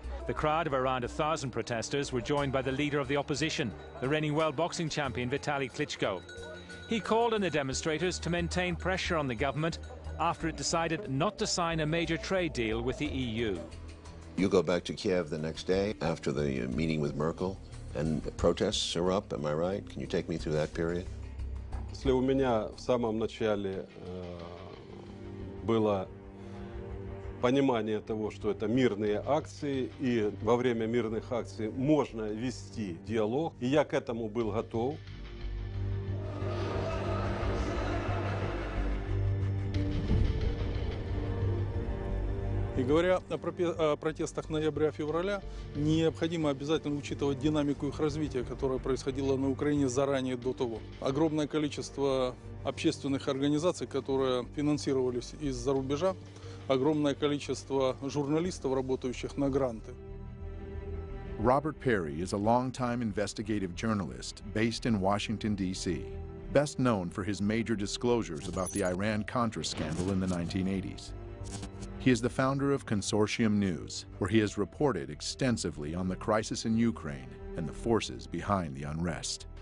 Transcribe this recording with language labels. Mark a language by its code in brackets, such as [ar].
[en] The crowd of around 1,000 protesters were joined by the leader of the opposition, the reigning world boxing champion Vitali Klitschko. He called on the demonstrators to maintain pressure on the government after it decided not to sign a major trade deal with the EU. You go back to Kiev the next day after the meeting with Merkel, and the protests erupt, am I right? Can you take me through that period? [ru] Если у меня в самом начале было понимание того, что это мирные акции, и во время мирных акций можно вести диалог, и я к этому был готов. И говоря о протестах ноября-февраля, необходимо обязательно учитывать динамику их развития, которая происходила на Украине заранее до того. Огромное количество общественных организаций, которые финансировались из-за рубежа, огромное количество журналистов, работающих на гранты. [en] Robert Perry is a long-time investigative journalist based in Washington, D.C., best known for his major disclosures about the Iran-Contra scandal in the 1980s. He is the founder of Consortium News, where he has reported extensively on the crisis in Ukraine and the forces behind the unrest.